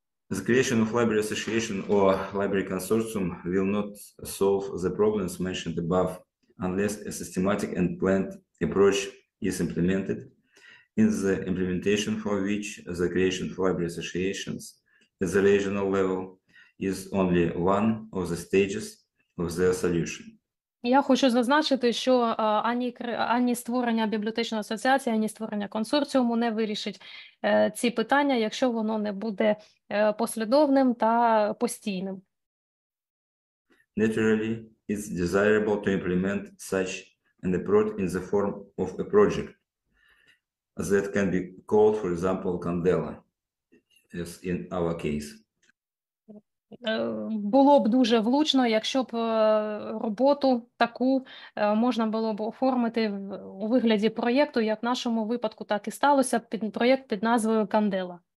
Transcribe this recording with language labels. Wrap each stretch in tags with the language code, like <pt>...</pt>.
<en>The creation of library association or library consortium will not solve the problems mentioned above unless a systematic and planned approach is implemented, in the implementation for which the creation of library associations at the regional level is only one of the stages of their solution.</en> <uk>Я хочу зазначити, що ані створення бібліотечної асоціації, ані створення консорціуму не вирішить ці питання, якщо воно не буде послідовним та постійним.</uk> <en>Naturally, it's desirable to implement such an approach in the form of a project that can be called, for example, Candela, as in our case.</en> <uk>Було б дуже влучно, якщо б роботу таку можна було б оформити у вигляді проєкту, як в нашому випадку так і сталося, під проєкт під назвою Candela.</uk>